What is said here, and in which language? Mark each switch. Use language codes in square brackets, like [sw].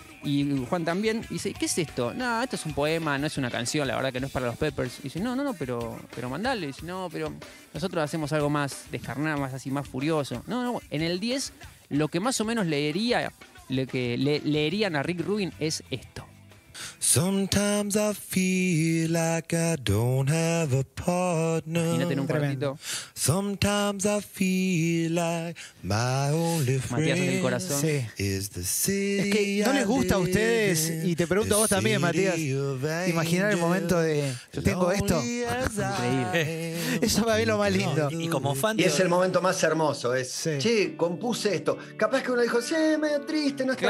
[es] Y Juan también dice, ¿qué es esto? No, esto es un poema, no es una canción, la verdad que no es para los Peppers. Y dice, no, pero mandale. Y dice, no, pero nosotros hacemos algo más descarnado, más así, más furioso. No, en el 10... Lo que más o menos leería, lo que leerían a Rick Rubin es esto. [en] Sometimes I feel like I don't have a partner. [es] Imagínate en un cuartito. [en] Sometimes I feel like my only friend. [es] Matías en el corazón. Sí. [en] Is the city. [es] Es que no les gusta a ustedes, y te pregunto a vos también, Matías, imaginar el momento de tengo esto. Increíble. Eso para mí es lo más lindo. Y como fan y es el momento más hermoso. Es, sí. Che, compuse esto. Capaz que uno dijo, sí, medio triste, no está